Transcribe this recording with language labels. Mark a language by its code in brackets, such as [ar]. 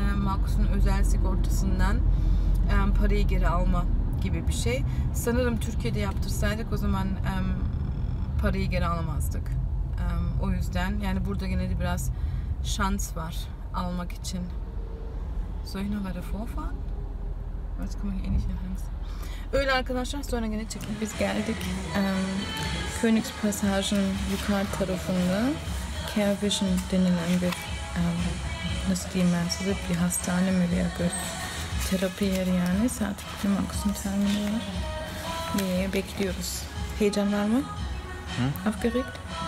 [tr] Markus'un özel sigortasından parayı geri alma gibi bir şey. Sanırım Türkiye'de yaptırsaydık o zaman parayı geri alamazdık. O yüzden yani burada gene de biraz şans var almak için. [de] Soll ich noch weiter vorfahren? Was komme ich eh nicht hier hin? [tr] Öyle arkadaşlar, sonra gene çıkıp biz geldik. Königs Passage'ın yukarı tarafında Carevision denilen bir nasıl diyeyim ben size, bir hastane mi veya bir terapi yeri yani. Saat kutlu Markus'un termini var. Diye bekliyoruz. Heyecan var mı? [de] Aufgeregt?